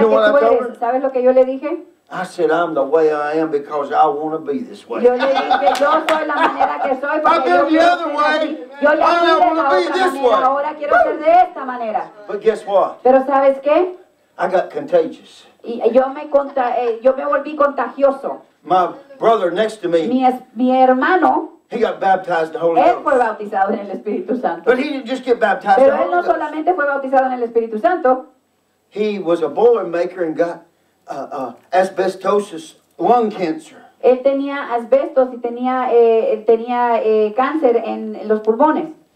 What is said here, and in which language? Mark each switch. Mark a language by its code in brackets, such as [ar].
[en] you know [es] que tú eres? ¿Sabes lo que yo le dije? [en] I said, I'm the way I am because I want to be this way. I've been the other way. [es] Yo [en] I don't want to be this way. [es] Ahora quiero ser de esta manera. [en] But guess what? [es] Pero ¿sabes qué? [en] I got contagious. [es] Y yo me volví contagioso. [en] My brother next to me. [es] Mi hermano. [en] He got baptized in the Holy Ghost. [es] Él fue bautizado en el Espíritu Santo. [en] But he didn't just get baptized [es] pero [en] in the Holy Ghost. [es] Pero él no solamente fue bautizado en el Espíritu Santo. [en] He was a boiler maker and got asbestosis lung cancer. [es] Él tenía asbestos y tenía cáncer en los pulmones.